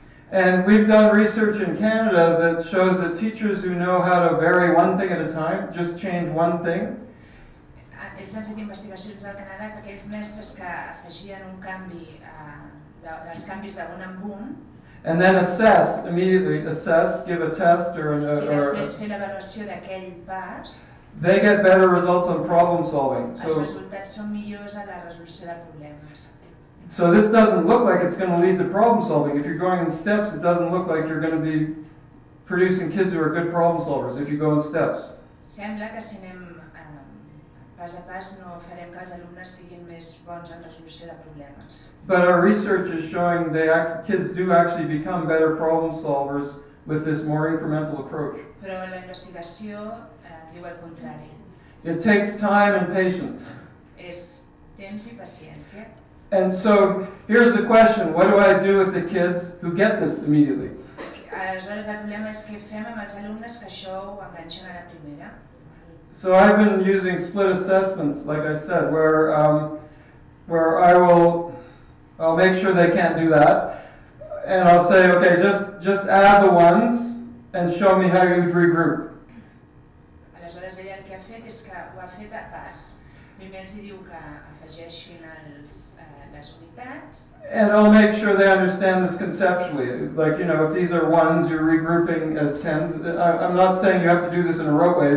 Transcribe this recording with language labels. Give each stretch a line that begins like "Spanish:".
English: And we've done research in Canada that shows that teachers who know how to vary one thing at a time, just change one thing.
Catalan: Ells han fet investigacions al Canadà que aquells mestres que afegien un canvi, els canvis d'un en un.
English: And then assess, immediately assess, give a test or...
Catalan: I després fer l'avaluació d'aquell pas.
English: They get better results on problem solving.
Catalan: Els resultats són millors a la resolució de problemes.
English: So this doesn't look like it's going to lead to problem solving. If you're going in steps, it doesn't look like you're going to be producing kids who are good problem solvers if you go in steps.
Catalan: Sembla que si anem pas a pas no farem que els alumnes siguin més bons en resolució de problemes.
English: But our research is showing that kids do actually become better problem solvers with this more incremental approach.
Catalan: Però la investigació diu el contrari.
English: It takes time and patience.
Catalan: És temps i paciència.
English: And so here's the question, what do I do with the kids who get this immediately?
Catalan: Aleshores, el problema és què fem amb els alumnes que això ho enganxen a la primera.
English: So I've been using split assessments, like I said, where I'll make sure they can't do that. And I'll say, okay, just add the ones and show me how you regroup.
Catalan: Aleshores, ella el que ha fet és que ho ha fet a pas. Primer els diu que afegeixin les unitats.
English: And I'll make sure they understand this conceptually. Like, you know, if these are ones, you're regrouping as tens. I'm not saying you have to do this in a rote way.